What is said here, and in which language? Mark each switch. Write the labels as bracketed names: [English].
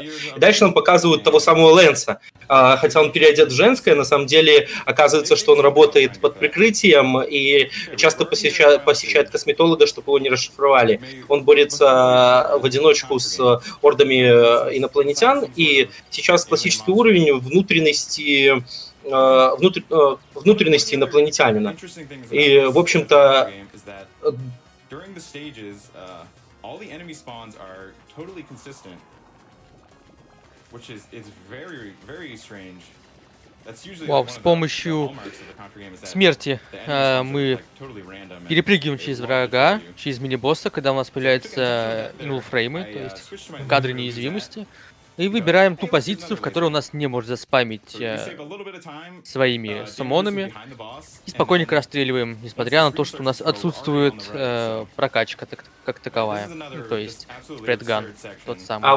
[Russian] И дальше нам показывают того самого Лэнса. Хотя он переодет в женское, на самом деле оказывается, что он работает под прикрытием и часто посещает косметолога, чтобы его не расшифровали. Он борется в одиночку с ордами инопланетян, и сейчас классический уровень внутренности инопланетянина. И, в общем-то, [English] during the stages, all the enemy spawns are totally consistent, which is very, very strange. That's usually wow, [Russian] с помощью смерти мы перепрыгиваем через врага, через мини-босса, когда у нас появляются нулфреймы, то есть кадры неуязвимости, и выбираем ту позицию, в которой у нас не может заспамить своими суммонами, и спокойненько расстреливаем, несмотря на то, что у нас отсутствует прокачка как таковая, ну, то есть спредган тот самый.